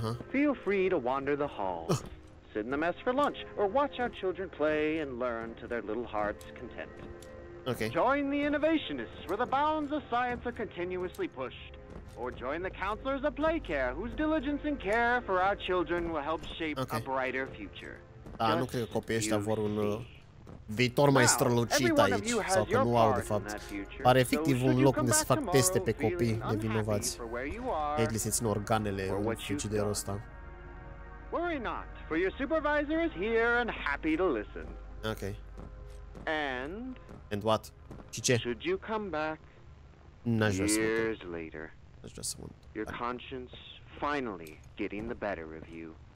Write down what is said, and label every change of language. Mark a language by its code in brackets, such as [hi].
[en] Feel free to wander the halls, sit in the mess for lunch, or watch our children play and learn to their little hearts' content. Okay. Join the innovationists, where the bounds of science are continuously pushed. Or join the counselors of Playcare, whose diligence and care for our children will help shape a brighter future. [ro] Da, nu cred că copiii ăștia vor un viitor mai strălucit aici, sau că nu au, de fapt. Pare efectiv un loc unde se fac teste pe copii nevinovați. Ei, li se țin organele în frigiderul ăsta. [en] Worry not, for your supervisor is here and happy to listen. Ok. And? And what? [ro] Și ce? [en] Should you come back years later? [ro] N-aș vrea să mă întorc. [en] Your conscience finally getting the better of you.